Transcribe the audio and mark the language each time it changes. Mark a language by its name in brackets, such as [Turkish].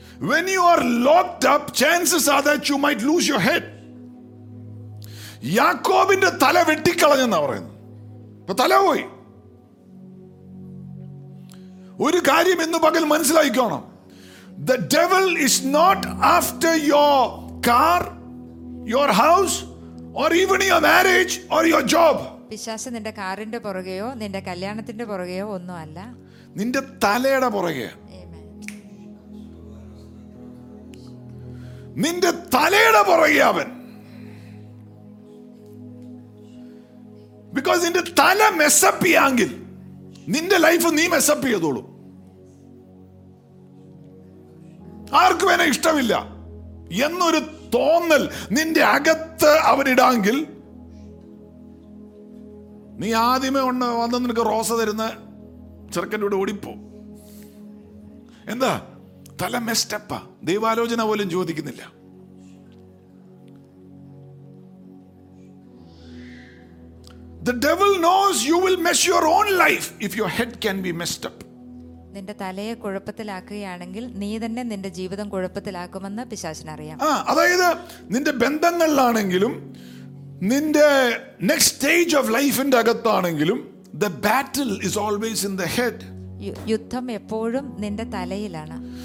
[English] When you are locked up, chances are that you might lose your head. [Malayalam] യാക്കോബിന്റെ തല വെട്ടിക്കളഞ്ഞെന്നാ പറയുന്നു. അപ്പൊ തല പോയി. ഒരു കാര്യം ഇന്ന് പകൽ മനസ്സിലാക്കിക്കോണം. [English] The devil is not after your car, your house, or even your marriage or your job. [Malayalam] പിശാച് നിന്റെ കാറിന്റെ പുറകെയോ നിന്റെ കല്യാണത്തിന്റെ പുറകെയോ ഒന്നും അല്ല, നിന്റെ തലയുടെ പുറകെ. നിന്റെ തലയുടെ പുറകെ അവൻ. ബിക്കോസ് നിന്റെ തല മെസ്സപ്പ് ചെയ്യാമെങ്കിൽ നിന്റെ ലൈഫ് നീ മെസ്സപ്പ് ചെയ്തോളൂ. ആർക്കും എന്നെ ഇഷ്ടമില്ല എന്നൊരു തോന്നൽ നിന്റെ അകത്ത് അവനിടാങ്കിൽ, നീ ആദ്യമേ ഒന്ന് വന്ന് നിനക്ക് റോസ തരുന്ന ചെറുക്കൻ്റെ കൂടെ ഓടിപ്പോ. എന്താ തല മെസ്റ്റപ്പാ? ദൈവാലോചന പോലും ചോദിക്കുന്നില്ല. [English] The devil knows you will mess your own life if your head can be messed up. [Malayalam] നിന്റെ തലയെ കുഴപ്പത്തിലാക്കുകയാണെങ്കിൽ നീ തന്നെ നിന്റെ ജീവിതം കുഴപ്പത്തിലാക്കുമെന്ന് പിശാചിന് അറിയാം. ആ, അതായത് നിന്റെ ബന്ധങ്ങളിലാണെങ്കിലും നിന്റെ നെക്സ്റ്റ് സ്റ്റേജ് ഓഫ് ലൈഫിന്റെ അകത്താണെങ്കിലും, [English] the battle is always in the head. [Malayalam] യുദ്ധം എപ്പോഴും നിന്റെ തലയിലാണ്.